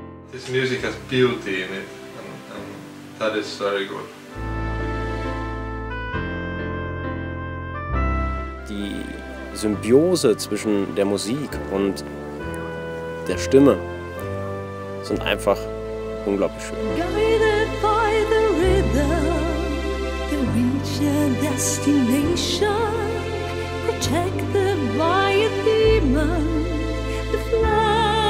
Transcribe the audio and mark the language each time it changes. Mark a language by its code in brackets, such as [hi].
[en] This music has beauty in it, and that is very good. [de] Die Symbiose zwischen der Musik und der Stimme sind einfach unglaublich schön. [en] Guided by the rhythm, the reach and destination, protected by a demon, the flower.